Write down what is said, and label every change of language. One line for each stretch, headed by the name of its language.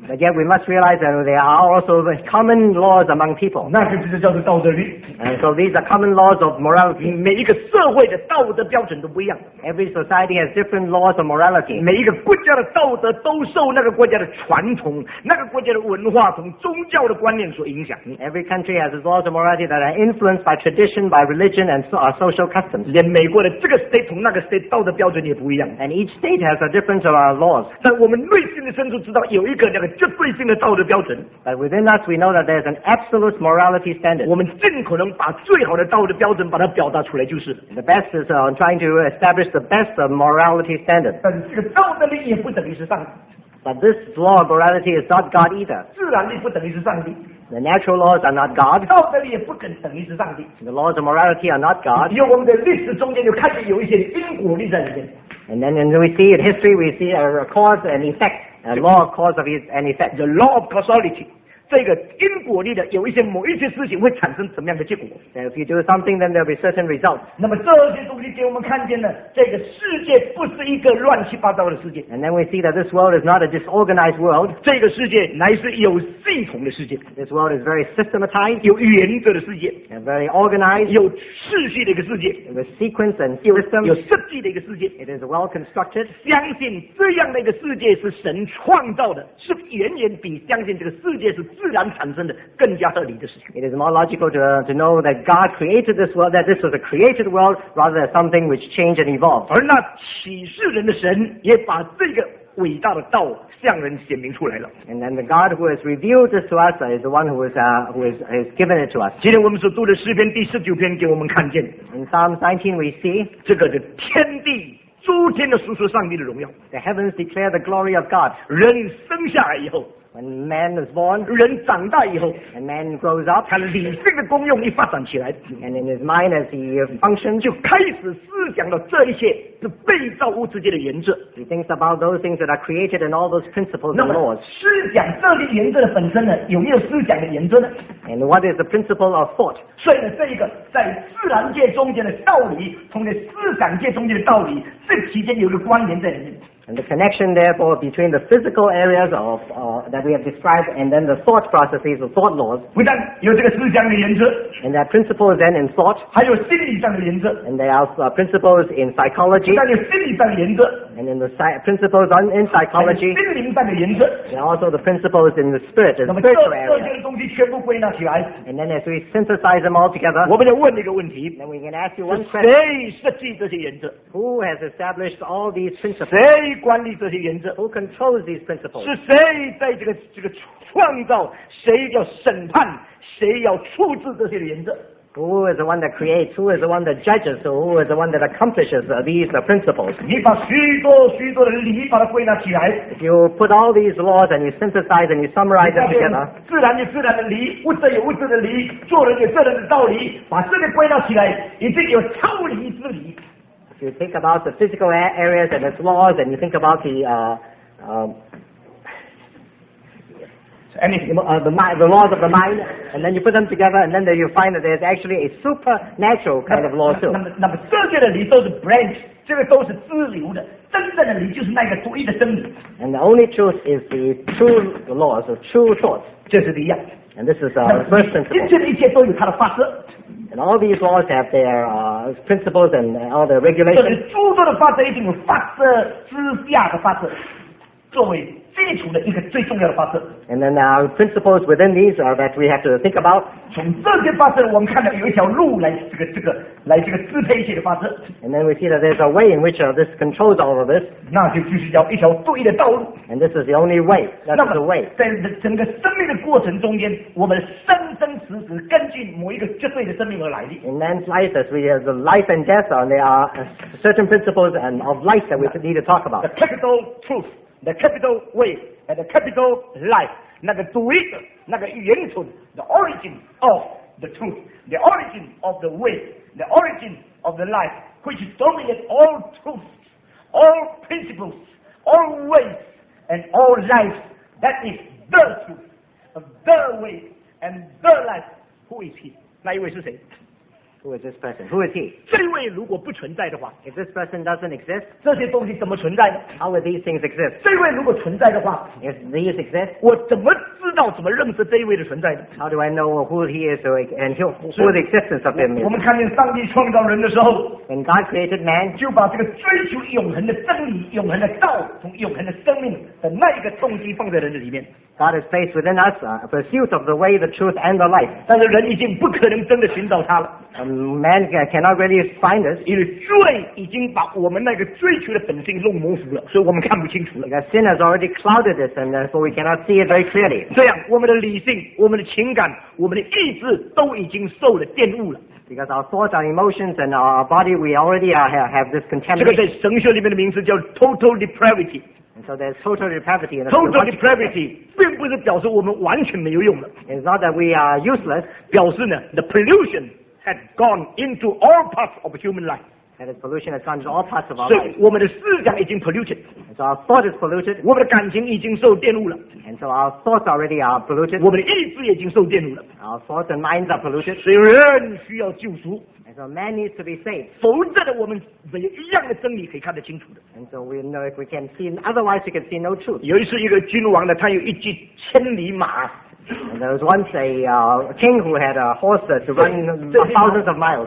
English: But yet we must realize that there are also common laws among people.
Chinese: 那就是叫做道德律。
English: And so these are common laws of morality.
Chinese: 每一个社会的道德标准都不一样。
English: Every society has different laws of morality.
Chinese: 每一个国家的道德都受那个国家的传统、那个国家的文化、从宗教的观念所影响。
English: Every country has its laws of morality that are influenced by tradition, by religion, and our social customs.
Chinese: 连美国的这个state同那个state道德标准也不一样。
English: And each state has a difference of our laws.
Chinese: 但我们内心的深处知道有一个那个绝对性的道德标准。
English: But within us, we know that there's an absolute morality standard.
Chinese: 我们尽可能把最好的道德标准把它表达出来就是。
English: The best is on trying to establish the best of morality standards.
Chinese: 但这个道德力也不等于是上帝。
English: But this law of morality is not God either.
Chinese: 自然力不等于是上帝。
English: The natural laws are not God.
Chinese: 道德力也不等于是上帝。
English: The laws of morality are not God.
Chinese: 因为我们的历史中间就开始有一些因果力在里面。
English: And then when we see in history, we see a cause and effect. A law of cause and effect. The law of causality.
Chinese: 这个因果力的有一些某一些事情会产生什么样的结果。
English: And if you do something, then there'll be certain results.
Chinese: 那么这些东西给我们看见了，这个世界不是一个乱七八糟的世界。
English: And then we see that this world is not a disorganized world.
Chinese: 这个世界乃是有系统的世界。
English: This world is very systematized.
Chinese: 有原则的世界。
English: And very organized.
Chinese: 有秩序的一个世界。
English: With sequence and system.
Chinese: 有设计的一个世界。
English: It is well constructed.
Chinese: 相信这样的一个世界是神创造的，是远远比相信这个世界是自然产生的更加合理的事情。
English: It is more logical to know that God created this world, that this was a created world, rather than something which changed and evolved.
Chinese: 而那启示人的神也把这个伟大的道向人显明出来了。
English: And then the God who has revealed this to us is the one who has given it to us.
Chinese: 今天我们所读的诗篇第十九篇给我们看见。
English: In Psalm 19 we see
Chinese: 这个的天地诸天的述说上帝的荣耀。
English: The heavens declare the glory of God.
Chinese: 人生下来以后。
English: When man is born,
Chinese: 人长大以后
English: and man grows up,
Chinese: 他理性的功用一发展起来
English: and in his mind as he functions,
Chinese: 就开始思想了这一切是被造物之间的原则
English: he thinks about those things that are created and all those principles and laws.
Chinese: 思想这些原则的本身呢有没有思想的原则呢
English: and what is the principle of thought?
Chinese: 所以呢这一个在自然界中间的道理同在思想界中间的道理这期间有一个关联在里面
English: And the connection, therefore, between the physical areas of, that we have described and then the thought processes, the thought laws.
Chinese: 不但有这个思想的原则,
English: and there are principles then in thought.
Chinese: 还有心理上的原则,
English: and there are principles in psychology.
Chinese: 不但有心理上的原则,
English: and in the principles in psychology.
Chinese: 还有心灵上的原则,
English: and also the principles in the spirit, the spiritual
Chinese: area. 那么这些东西全部归纳起来,
English: and then as we synthesize them all together,
Chinese: 我们要问一个问题,
English: then we can ask you one question.
Chinese: 谁设计这些原则?
English: Who has established all these principles?
Chinese: 管理这些原则
English: Who controls these principles?
Chinese: 是谁在这个创造谁要审判谁要处置这些原则
English: Who is the one that creates? Who is the one that judges? Who is the one that accomplishes these principles?
Chinese: 你把许多许多的理把它归纳起来
English: If you put all these laws and you synthesize and you summarize them together
Chinese: 自然有自然的理物质有物质的理做人有做人的道理把这个归纳起来已经有超理之理
English: If you think about the physical areas and its laws, and you think about the laws of the mind, and then you put them together, and then you find that there's actually a supernatural kind of law too.
Chinese: 那么这些的理都是 branch, 这个都是自流的。真正的理就是那个独一的真理。
English: And the only truth is the true laws, the true thoughts.
Chinese: 这是第一。
English: And this is the first principle.
Chinese: 一切的一切都有它的法则。
English: And all these laws have their principles and all the regulations.
Chinese: 所以诸多的法则一定有法则之下的法则，作为基础的一个最重要的法则。
English: And then our principles within these are that we have to think about.
Chinese: 从这些法则，我们看到有一条路来这个支配一切的法则。
English: And then we see that there's a way in which this controls all of this.
Chinese: 那就是叫一条对的道路。
English: And this is the only way. That's the way.
Chinese: 在整个生命的过程中间，我们生。是根据某一个绝对的生命而来的。
English: In man's life, as we have the life and death, and there are certain principles and of life that we need to talk about. The capital truth, the capital way, and the capital life.
Chinese: 那个独一，那个源头
English: the origin of the truth, the origin of the way, the origin of the life, which dominates all truths, all principles, all ways, and all life. That is the truth, the way. And the life, who is he?
Chinese: 那一位是谁？
English: Who is this person? Who is he?
Chinese: 这一位如果不存在的话，
English: If this person doesn't exist,
Chinese: 这些东西怎么存在的？
English: How would these things exist?
Chinese: 这一位如果存在的话，
English: If these exist,
Chinese: 我怎么知道怎么认识这一位的存在的？
English: How do I know who he is and who the existence of him is?
Chinese: 我们看见上帝创造人的时候，
English: When God created man,
Chinese: 就把这个追求永恒的真理、永恒的道、从永恒的生命的那一个动机放在人的里面。
English: God has placed within us a pursuit of the way, the truth, and the life.
Chinese: 但是人已经不可能真的寻找他了。
English: Man cannot really find us.
Chinese: 因为罪已经把我们那个追求的本性弄模糊了，所以我们看不清楚了。
English: Because sin has already clouded this, and therefore we cannot see it very clearly.
Chinese: 这样，我们的理性、我们的情感、我们的意志都已经受了玷污了。
English: Because our thoughts, our emotions, and our body, we already have this contamination.
Chinese: 这个在神学里面的名字叫 total depravity。
English: And so there's total depravity in the world. Total depravity
Chinese: 并不是表示我们完全没有用了。
English: It's not that we are useless.
Chinese: 表示呢
English: the pollution had gone into all parts of human life. That is, pollution has gone to all parts of our
Chinese: life. 所以我们的思想已经 polluted.
English: So our thought is polluted.
Chinese: 我们的感情已经受玷污了.
English: And so our thoughts already are polluted.
Chinese: 我们的意志已经受玷污了.
English: Our thoughts and minds are polluted.
Chinese: 所以人需要救赎.
English: And so man needs to be saved.
Chinese: 否则的我们没有一样的真理可以看得清楚的.
English: And so we know if we can see, otherwise we can see no truth.
Chinese: 有一次一个君王呢，他有一匹千里马。
English: And there was once a king who had a horse to run thousands of miles.